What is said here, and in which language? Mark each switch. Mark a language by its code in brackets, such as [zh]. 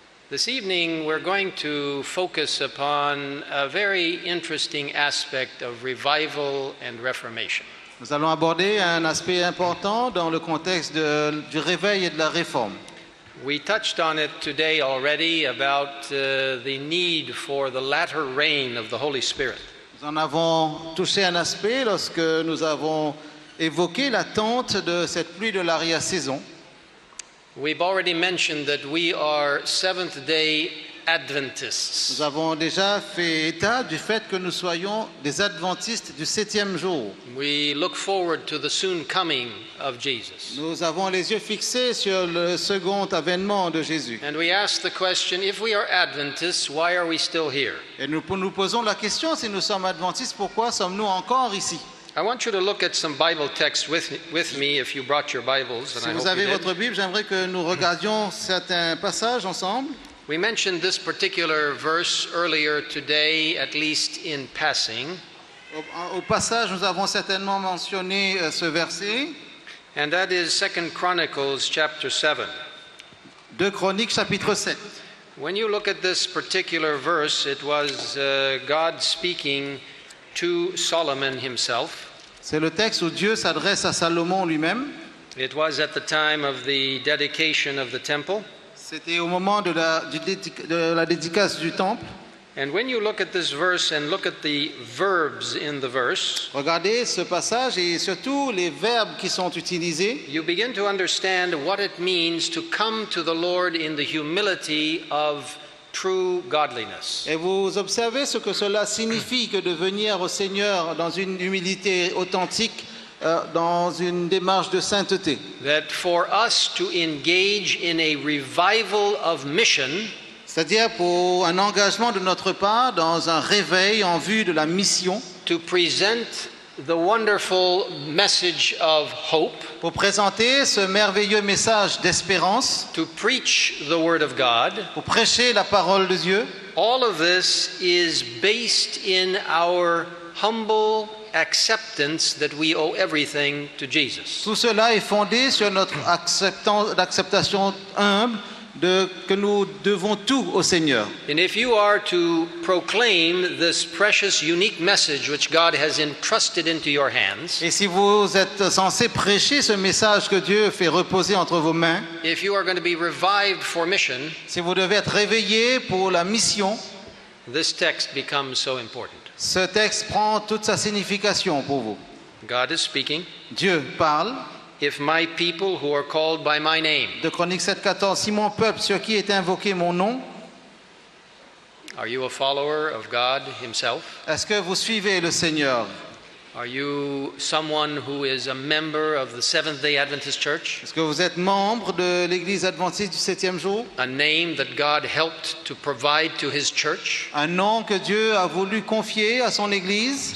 [en] This evening, we're going to focus upon a very interesting aspect of revival and reformation. [fr] Nous allons aborder un aspect important dans le contexte du réveil et de la réforme. [en] We touched on it today already about the need for the latter rain of the Holy Spirit. [fr] Nous en avons touché un aspect lorsque nous avons évoqué l'attente de cette pluie de l'arrière-saison. [en] We've already mentioned that we are Seventh-day Adventists. [fr] Nous avons déjà fait état du fait que nous soyons des adventistes du septième jour. [en] We look forward to the soon coming of Jesus. [fr] Nous avons les yeux fixés sur le second avènement de Jésus. [en] And we ask the question, if we are Adventists, why are we still here? [fr] Et nous posons la question, si nous sommes adventistes, pourquoi sommes-nous encore ici? [en] I want you to look at some Bible texts with me if you brought your Bibles. [fr] Si vous avez votre Bible, j'aimerais que nous regardions certains passages ensemble. [en] We mentioned this particular verse earlier today, at least in passing. [fr] Au passage, nous avons certainement mentionné ce verset. [en] And that is 2 Chronicles chapter 7. [fr] Deux Chroniques chapitre 7. [en] When you look at this particular verse, it was God speaking to Solomon himself. [fr] C'est le texte où Dieu s'adresse à Salomon lui-même. [en] It was at the time of the dedication of the temple. [fr] C'était au moment de la dédicace du temple. [en] And when you look at this verse and look at the verbs in the verse, [fr] regardez ce passage et surtout les verbes qui sont utilisés. [en] You begin to understand what it means to come to the Lord in the humility of true godliness. [fr] Et vous observez ce que cela signifie que de venir au Seigneur dans une humilité authentique. Dans une démarche de sainteté. [en] That for us to engage in a revival of mission, [fr] c'est-à-dire pour un engagement de notre part dans un réveil en vue de la mission, [en] to present the wonderful message of hope, [fr] pour présenter ce merveilleux message d'espérance, [en] to preach the word of God, [fr] pour prêcher la parole de Dieu, [en] all of this is based in our humble acceptance that we owe everything to Jesus. [fr] Tout cela est fondé sur notre acceptation humble de que nous devons tout au Seigneur. [en] And if you are to proclaim this precious, unique message which God has entrusted into your hands, [fr] et si vous êtes censé prêcher ce message que Dieu fait reposer entre vos mains, [en] if you are going to be revived for mission, [fr] si vous devez être réveillé pour la mission, [en] this text becomes so important. [fr] Ce texte prend toute sa signification pour vous. [en] God is speaking. [fr] Dieu parle. [en] If my people who are called by my name. [fr] De Chroniques 7:14, si mon peuple sur qui est invoqué mon nom. [en] Are you a follower of God himself? [fr] Est-ce que vous suivez le Seigneur? [en] Are you someone who is a member of the Seventh-day Adventist Church? [fr] Est-ce que vous êtes membre de l'Église Adventiste du septième jour? [en] A name that God helped to provide to his church? [fr] Un nom que Dieu a voulu confier à son Église?